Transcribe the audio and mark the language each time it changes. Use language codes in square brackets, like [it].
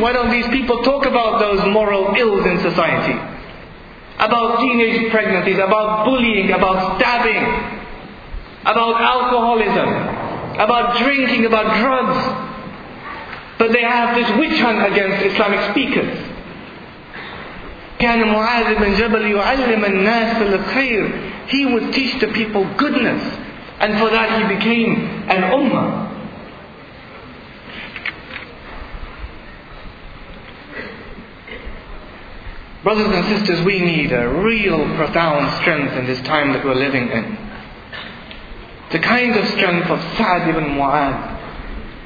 [en] Why don't these people talk about those moral ills in society? About teenage pregnancies, about bullying, about stabbing, about alcoholism, about drinking, about drugs. But they have this witch hunt against Islamic speakers. [ar] كان معاذ بن جبل يعلم الناس الخير. [en] He would teach the people goodness. And for that he became an ummah. Brothers and sisters, we need a real profound strength in this time that we're living in. The kind of strength of Sa'd ibn Mu'adh,